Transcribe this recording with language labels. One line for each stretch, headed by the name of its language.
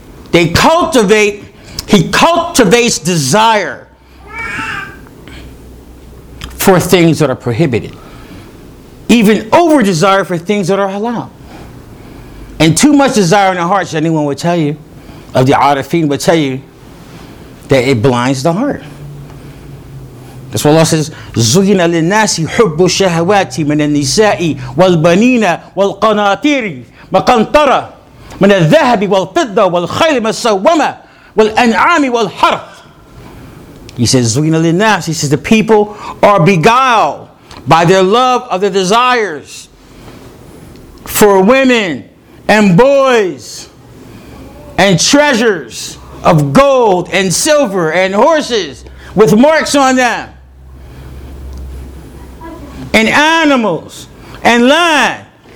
English: They cultivate. He cultivates desire for things that are prohibited. Even over desire for things that are halal. And too much desire in the heart, anyone would tell you, of the arifin would tell you, that it blinds the heart. That's why Allah says,
Arabic: زُيِّنَ لِلنَّاسِ حُبُّ الشَّهَوَاتِ مِنَ النِّسَاءِ وَالْبَنِينَ وَالْقَنَاطِيرِ مَقَنْطَرَ مِنَ الذَّهَبِ وَالْفِضَّةِ وَالْخَيْلِ مَسَوَّمَةِ وَالْأَنْعَامِ وَالْحَرْثِ.
English: He says,
Arabic: زُوِينَ لِلنَّاسِ.
English: He says, the people are beguiled by their love of the desires for women and boys and treasures of gold and silver and horses with marks on them and animals and land.